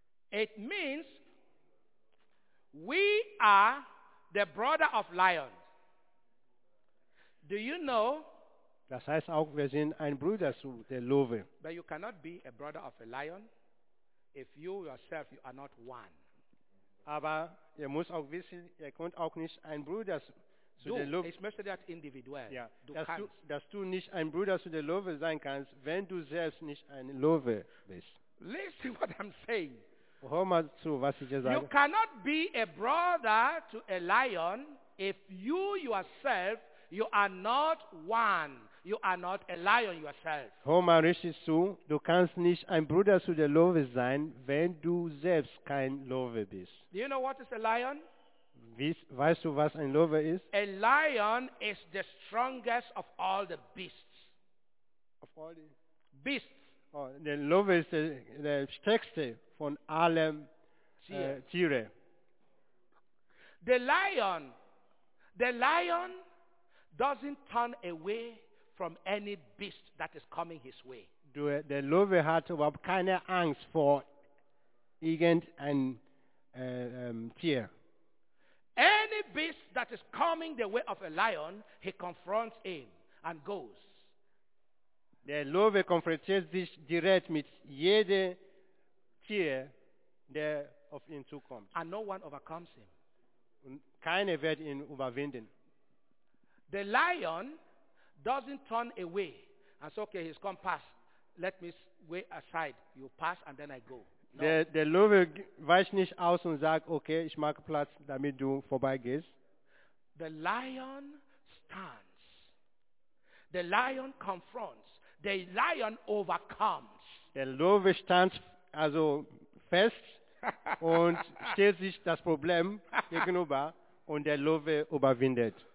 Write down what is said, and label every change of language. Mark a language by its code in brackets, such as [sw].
[en] It means we are the brother of lions. Do you know? [de] Das heißt auch, wir sind ein Bruder zu der Löwe. [en] But you cannot be a brother of a lion if you yourself you are not one. [de] Aber ihr müsst auch wissen, ihr könnt auch nicht ein Bruder zu der Löwe. Ich möchte das individuell. Ja. Dass du nicht ein Bruder zu der Löwe sein kannst, wenn du selbst nicht ein Löwe bist. [en] Listen what I'm saying. [de] Hör mal zu, was ich sage. [en] You cannot be a brother to a lion if you yourself you are not one. You are not a lion yourself. [de] Hör mal richtig zu. Du kannst nicht ein Bruder zu der Löwe sein, wenn du selbst kein Löwe bist. [en] Do you know what is a lion? [de] Weißt du, was ein Löwe ist? [en] A lion is the strongest of all the beasts. Of all the beasts. [de] Oh, der Löwe ist der stärkste von allen Tiere. [en] The lion doesn't turn away from any beast that is coming his way. [de] Der Löwe hat überhaupt keine Angst vor irgendein Tier. [en] Any beast that is coming the way of a lion, he confronts him and goes. [de] Der Löwe konfrontiert sich direkt mit jedem Tier, der auf ihn zukommt. [en] And no one overcomes him. [de] Und keiner wird ihn überwinden. [en] The lion doesn't turn away and say, okay, he's come past. Let me wait aside. You pass and then I go. No. [de] Der Löwe weicht nicht aus und sagt, okay, ich mache Platz, damit du vorbeigehst. [en] The lion stands. The lion confronts. The lion overcomes. [de] Der Löwe stand also fest und stellt sich das Problem gegenüber und der Löwe überwindet.